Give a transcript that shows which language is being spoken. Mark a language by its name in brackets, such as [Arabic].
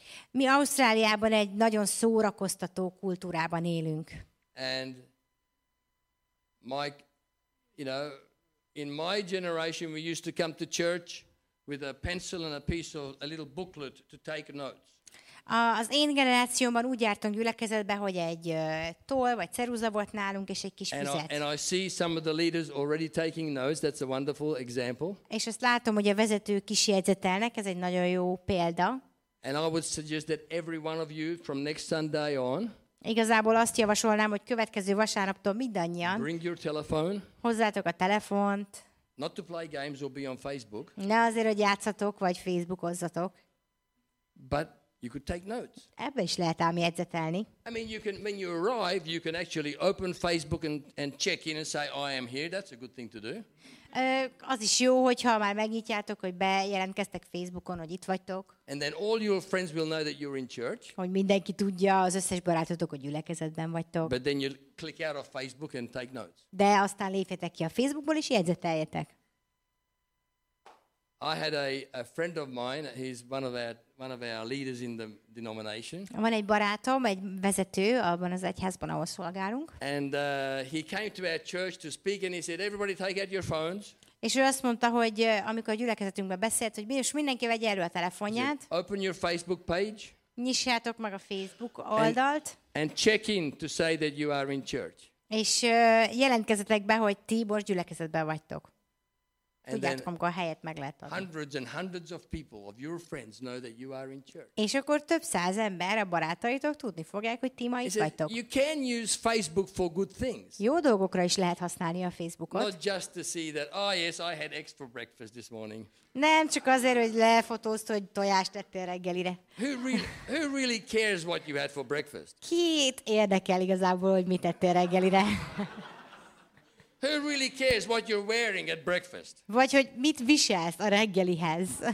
[Hungarian] Mi Ausztráliában egy nagyon szórakoztató kultúrában élünk. [English] And Mike, you know, in my generation we used to come to church with a pencil and a piece of a little booklet to take notes. [Hungarian] Az én generációmban úgy jártunk gyülekezetbe, hogy egy toll vagy ceruza volt nálunk és egy kis füzet. [English] And I see some of the leaders already taking notes. That's a wonderful example. [Hungarian] És azt látom, hogy a vezetők is jegyzetelnek. Ez egy nagyon jó példa. [English] And I would suggest that every one of you from next Sunday on. [Hungarian] Igazából azt javasolnám, hogy következő vasárnaptól mindannyian. [English] Bring your telephone. [Hungarian] Hozzátok a telefont. [English] Not to play games or be on Facebook. [Hungarian] Ne azért, hogy játszatok vagy Facebookozzatok. [English] But you could take notes. [Hungarian] Ebben is lehet ám jegyzetelni. [English] I mean, you can when you arrive, you can actually open Facebook and check in and say I am here. That's a good thing to do. [Hungarian] Az is jó, hogyha már megnyitjátok, hogy bejelentkeztek Facebookon, hogy itt vagytok. [English] And then all your friends will know that you're in church. [Hungarian] Hogy mindenki tudja, az összes barátotok, hogy gyülekezetben vagytok. [English] But then you click out of Facebook and take notes. [Hungarian] De aztán lépjetek ki a Facebookból és jegyzeteljetek. [English] I had a friend of mine. He's one of our leaders in the denomination. [Hungarian] Van egy barátom, egy vezető abban az egyházban, ahol szolgálunk. [English] And he came to our church to speak, and he said, "Everybody, take out your phones." [Hungarian] És ő azt mondta, hogy amikor a gyülekezetünkben beszélt, hogy most mindenki vegye elő a telefonját. [English] Said, "Open your Facebook page." [Hungarian] Nyissátok meg a Facebook oldalt. [English] And check in to say that you are in church. [Hungarian] És jelentkezzetek be, hogy ti most gyülekezetben vagytok. Tudjátok, amikor a helyet meg lehet adni. [English] Hundreds and hundreds of people of your friends know that you are in church. [Hungarian] És akkor több száz ember, a barátaitok tudni fogják, hogy ti ma itt vagytok. [English] You can use Facebook for good things. [Hungarian] Jó dolgokra is lehet használni a Facebookot. [English] Not just to see that, oh yes, I had eggs for breakfast this morning. [Hungarian] Nem csak azért, hogy lefotózt, hogy tojást tettél reggelire. [English] Who really cares what you had for breakfast? [Hungarian] Kit érdekel igazából, hogy mit tettél reggelire? [English] Who really cares what you're wearing at breakfast? [Hungarian] Vagy hogy mit viselsz a reggelihez?